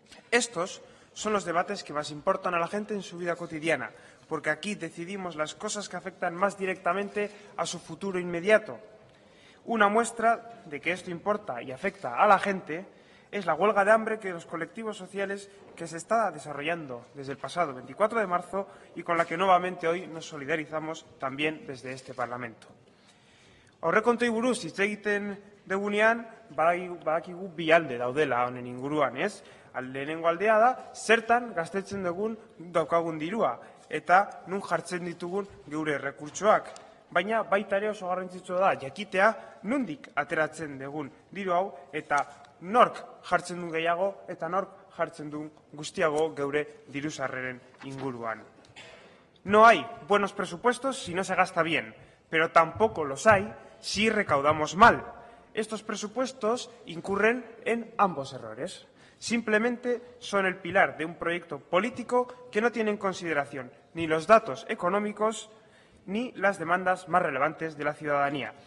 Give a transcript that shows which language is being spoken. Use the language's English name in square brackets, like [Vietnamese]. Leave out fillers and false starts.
[Spanish] Estos son los debates que más importan a la gente en su vida cotidiana, porque aquí decidimos las cosas que afectan más directamente a su futuro inmediato. Una muestra de que esto importa y afecta a la gente es la huelga de hambre que los colectivos sociales que se está desarrollando desde el pasado 24 de marzo y con la que nuevamente hoy nos solidarizamos también desde este Parlamento. [Basque] Aurrekontuei buruz hitz egiten dugunean, badakigu bi alde daudela honen inguruan, ez? Lehenengo aldea da, zertan gastatzen dugun daukagun dirua, eta nun jartzen ditugun geure rekurtsoak. Baina baita ere oso garrantzitsua da, jakitea nundik ateratzen dugun diru hau, eta nork jartzen duen gehiago eta nork jartzen duen guztiago geure diruzarreren inguruan. [Spanish] No hay buenos presupuestos si no se gasta bien, pero tampoco los hay si recaudamos mal. Estos presupuestos incurren en ambos errores. Simplemente son el pilar de un proyecto político que no tiene en consideración ni los datos económicos ni las demandas más relevantes de la ciudadanía.